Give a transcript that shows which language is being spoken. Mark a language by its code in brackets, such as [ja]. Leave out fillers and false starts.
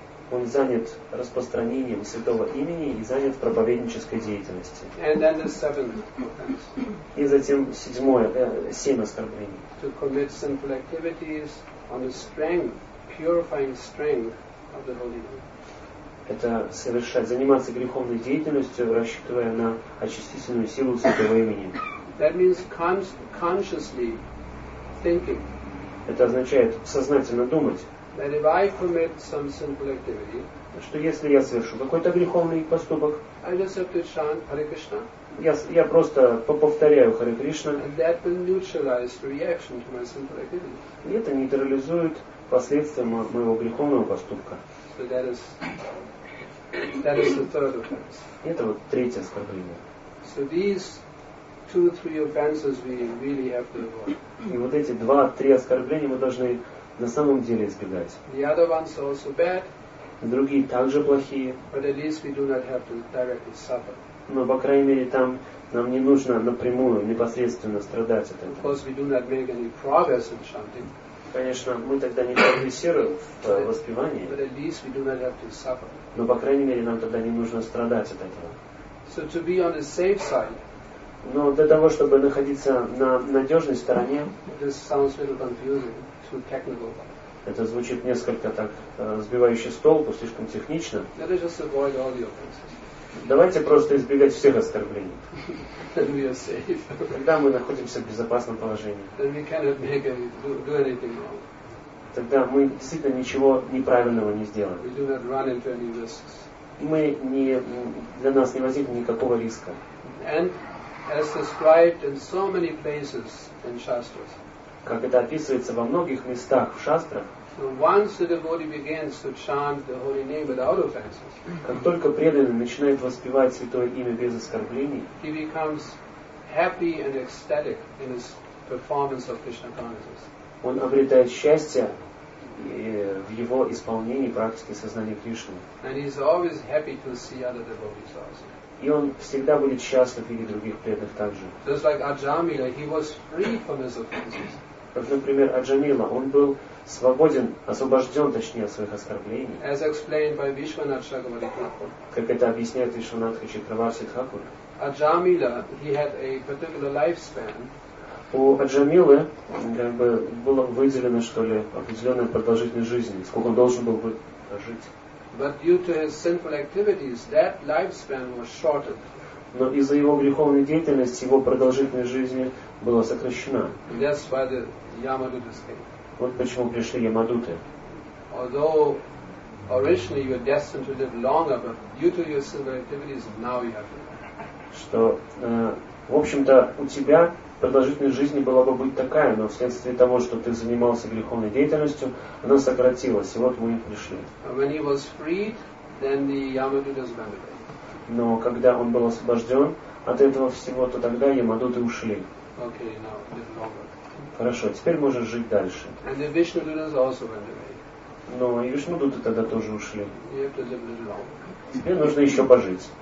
[ru] Он занят распространением святого имени и занят проповеднической деятельности. [en] And then the seventh. [ru] И затем седьмое, 7 оскорблений. [en] To commit sinful activities on the strength, purifying strength of the holy name. [ru] Это совершать, заниматься греховной деятельностью, рассчитывая на очистительную силу святого имени. [en] That means consciously thinking. [ru] Это означает сознательно думать. [en] That if I commit some simple activity, [ru] что если я совершу какой-то греховный поступок, [en] I just have to chant Hare Krishna, [ru] я просто повторяю Харе Кришна, [en] and that will neutralize the reaction to my simple activity. [ru] И это нейтрализует последствия моего греховного поступка. [en] So that is the third offense. [ru] Это вот третье оскорбление. [en] So these two, three offenses we really have to avoid. [ru] И вот эти два-три оскорбления мы должны на самом деле избегать. [en] The other ones are also bad, [ru] другие также плохие. [en] But at least we do not have to directly suffer. [ru] Но, по крайней мере, там нам не нужно напрямую, непосредственно страдать от этого. [en] Of course, we do not make any progress in chanting. [ru] Конечно, мы тогда не прогрессируем в воспевании. [en] But at least we do not have to suffer. [ru] Но, по крайней мере, нам тогда не нужно страдать от этого. [en] So to be on the safe side, [ru] но для того, чтобы находиться на надежной стороне, [en] this sounds a little confusing, too technical. [ru] Это звучит несколько так сбивающе с толку, слишком технично. [en] Let us just avoid all the offenses. [ru] Давайте просто избегать всех оскорблений. [en] Then we are safe. [ru] Тогда мы находимся в безопасном положении. [en] Then we cannot make any, do anything wrong. [ru] Тогда мы действительно ничего неправильного не сделаем. [en] We do not run into any risks. [ru] Мы не, для нас не возникнет никакого риска. [en] And as described in so many places in Shastras. [ru] Как это описывается во многих местах в шастрах. Как только преданный начинает воспевать Святое Имя без оскорблений, [en] he becomes happy and ecstatic in his performance of Krishna consciousness. [ru] Он обретает счастье в его исполнении практики сознания Кришны. [en] And he is always happy to see other devotees also. [ru] И он всегда будет счастлив видеть других преданных также. [en] Just like Ajamila, he was free from his offenses. [ru] Как, например, Аджамила, он был свободен, освобожден, точнее, от своих оскорблений. [en] As explained by Vishwanath Chakravarti-thakur. [ru] Как это объясняет Вишванатха Чакраварти-тхакур. [en] Аджамила, he had a particular lifespan. [ru] У Аджамилы как бы было выделено, что ли, определенная продолжительность жизни, сколько он должен был бы прожить. [en] But due to his sinful activities, that lifespan was shortened. [ru] Но из-за его греховной деятельности его продолжительность жизни была сокращена. [en] That's why the Yamadutas came. [ru] Вот почему пришли Ямадуты. [en] Although originally you were destined to live longer, but due to your sinful activities, now you have to. [ru] Что, в общем-то, у тебя продолжительность жизни была бы быть такая, но вследствие того, что ты занимался греховной деятельностью, она сократилась, и вот мы и пришли. [en] When he was freed, then the Yamadutas went away. [ru] Но когда он был освобожден от этого всего, то тогда Ямадуты ушли. [en] Okay, now, [ru] хорошо, теперь можешь жить дальше. [en] And the Vishnudutas also went away. [ru] Но и Вишнудуты тогда тоже ушли. [en] You have to live a little longer. [ru] Тебе нужно еще пожить.